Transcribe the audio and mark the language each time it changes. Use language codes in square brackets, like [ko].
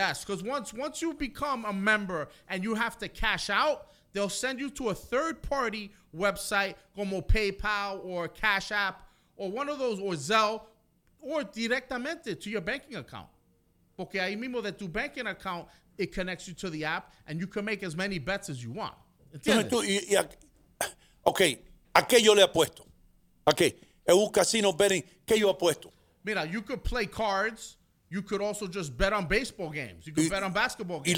[en] Yes, because once you become a member and you have to cash out, they'll send you to a third party website [es] como [en] PayPal or Cash App or one of those, or Zelle. Or directamente to your banking account. [es] Porque ahí mismo de tu [en] banking account, it connects you to the app and you can make as many bets as you want. [es] ¿Entiendes? ¿A qué yo le apuesto? ¿A qué? En un casino betting, ¿qué yo apuesto? Mira, [en] you could play cards. You could also just bet on baseball games. You could bet on basketball games.